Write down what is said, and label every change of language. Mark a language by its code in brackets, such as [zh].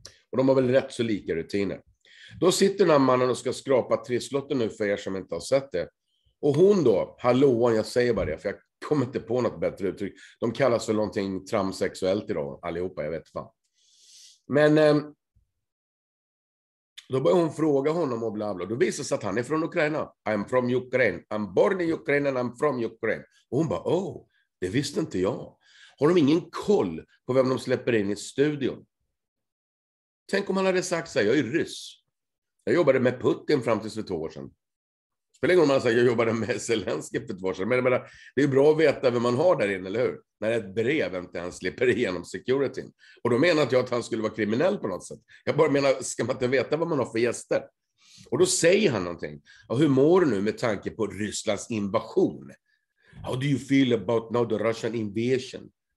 [sv] Och de har väl rätt så lika rutiner. Då sitter den här mannen och ska skrapa trisslotten nu för er som inte har sett det. Och hon då, hallå, jag säger bara det för jag kommer inte på något bättre uttryck. De kallas för någonting transsexuellt idag allihopa, jag vet fan. Men då börjar hon fråga honom och bla bla. Då visar sig att han är från Ukraina. [en] I'm from Ukraine. I'm born in Ukraine and I'm from Ukraine. [sv] Och hon bara, oh, det visste inte jag. Har de ingen koll på vem de släpper in i studion? Tänk om han hade sagt så här, jag är ryss. Jag jobbade med Putin fram tills för 2 år sedan. Spelar ingen roll om han säger att jag jobbade med Zelenskyj för 2 år sedan. Men det är bra att veta vem man har där inne, eller hur? När ett brev inte ens slipper igenom securityn. Och då menar jag att han skulle vara kriminell på något sätt. Jag bara menar, ska man inte veta vad man har för gäster? Och då säger han någonting. Och hur mår du nu med tanke på Rysslands invasion? [en] How do you feel about now the Russian invasion?